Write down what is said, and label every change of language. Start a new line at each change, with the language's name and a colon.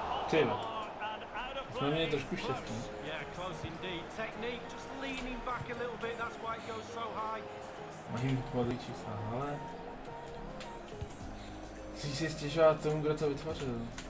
Czech: Tyma, jsme měli trošku štěstí.
English: Yeah, close indeed. Technique, just leaning back a little bit, that's why it goes so high.
Czech: Mají vytvořit čísla, ale... Chci si stěžovat tomu, kdo to vytvořil.